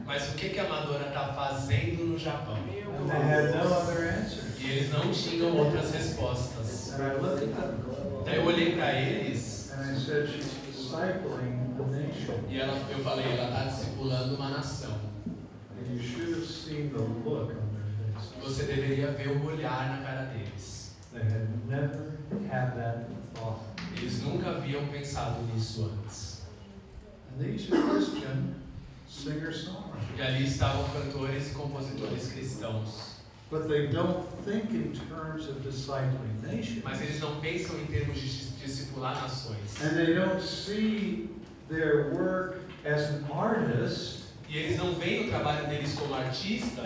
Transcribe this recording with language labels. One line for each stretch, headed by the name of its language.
Portuguese: Mas o que a Madonna está fazendo no Japão?
English: And they had no other answer.
Portuguese: E eles não tinham outras respostas.
English: And I looked at them.
Portuguese: Daí eu olhei para eles.
English: And I said, she's discipling the nation.
Portuguese: E ela, eu falei, ela está discipulando uma nação.
English: And you should have seen the look on their face.
Portuguese: Você deveria ver o olhar na cara deles.
English: They had never had that thought.
Portuguese: Eles nunca haviam pensado nisso antes.
English: And these are Christian singers.
Portuguese: E ali estavam cantores e compositores cristãos.
English: But they don't think in terms of discipling nations.
Portuguese: Mas eles não pensam em termos de discipular nações.
English: And they don't see their work as an artist.
Portuguese: E eles não veem o trabalho deles como artistas.